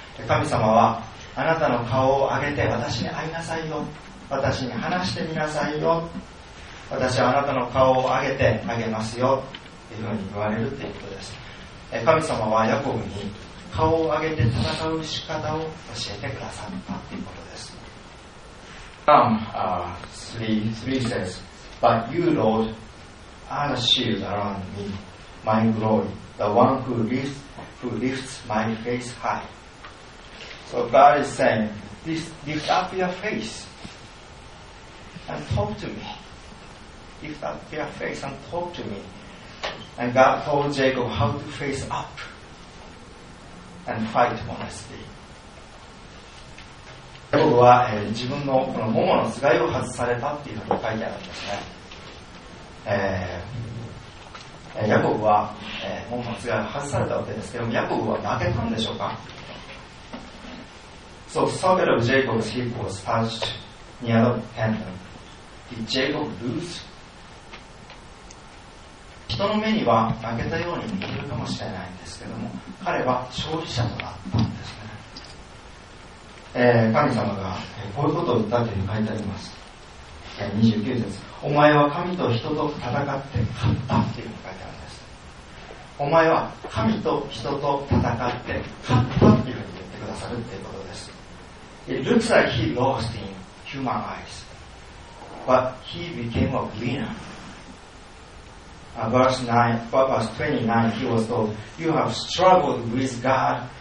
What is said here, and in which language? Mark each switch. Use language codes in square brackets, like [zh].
[ja] 神様は、あなたの顔を上げて私に会いなさいよ。私に話してみなさいよ。私はあなたの顔を上げてあげますよ。というふうに言われるということです。神様はヤコブに顔を上げて戦う仕方を教えてくださったということです。 [en] 3 says, But you, Lord, are the shield around me, my glory, the one who lifts my face high. So God is saying, Lift up your face and talk to me. Lift up your face and talk to meAnd God told Jacob how to face up and fight honestly. [ja] ヤコブは、自分のこの腿のつがいを外されたっていうのが書いてあるんですね。ヤコブは、腿のつがいを外されたわけですけども、ヤコブは負けたんでしょうか？ [en] So several of Jacob's hip was touched near the tendon. Did Jacob lose? [ja] 人の目には負けたように見えるかもしれないんですけども、彼は勝利者となったんですね。神様がこういうことを言ったというふうに書いてあります。29節、お前は神と人と戦って勝ったっていうふうに書いてあるんです。お前は神と人と戦って勝ったっていうふうに言ってくださるっていうことです。 [en] It looks like he lost in human eyes, but he became a winnerVerse 29, he was told, You have struggled with God